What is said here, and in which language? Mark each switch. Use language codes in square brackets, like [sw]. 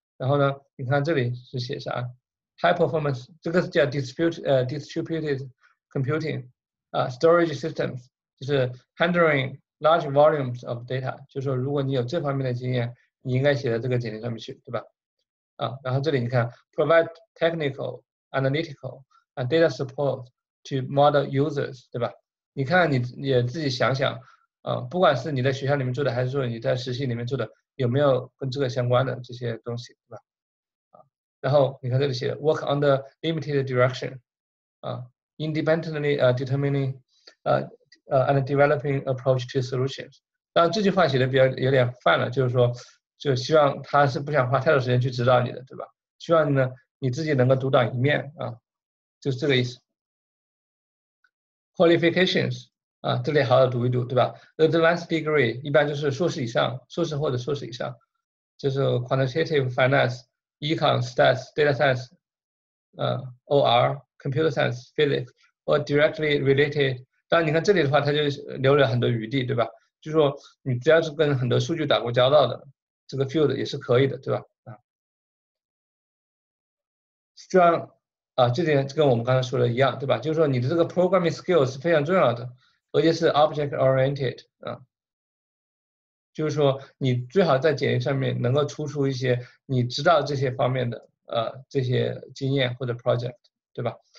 [zh] 然后呢，你看这里是写啥 ？High performance， 这个叫 distributed computing， 啊 ，storage systems， 就是 [en] handling large volumes of data， [zh] 就是说如果你有这方面的经验，你应该写在这个简历上面去，对吧？啊，然后这里你看 [en] ，provide technical, analytical, and data support to model users， 对吧？ [zh] 你看你也自己想想，啊，不管是你在学校里面做的，还是说你在实习里面做的，有没有跟这个相关的这些东西，对吧？啊，然后你看这里写 [en] ，work under limited direction， 啊 ，independently determining， and developing approach to solutions。 [zh] 当然这句话写的比较有点泛了，就是说。就希望他是不想花太多时间去指导你的，对吧？希望呢你自己能够独当一面啊，就是这个意思。 Qualifications 啊，这里好好读一读，对吧 ？Advanced degree 一般就是硕士以上，硕士或者硕士以上，就是 quantitative finance [en] econ, stats, data science, OR, computer science, physics, or directly related. [zh] 当然你看这里的话，它就留了很多余地，对吧？就是说你只要是跟很多数据打过交道的这个 field 也是可以的，对吧？虽然啊，这点跟我们刚才说的一样，对吧？就是说你的这个 programming skill 是非常重要的，而且是 object oriented 啊，就是说你最好在简历上面能够突出一些你知道这些方面的这些经验或者 project， 对吧？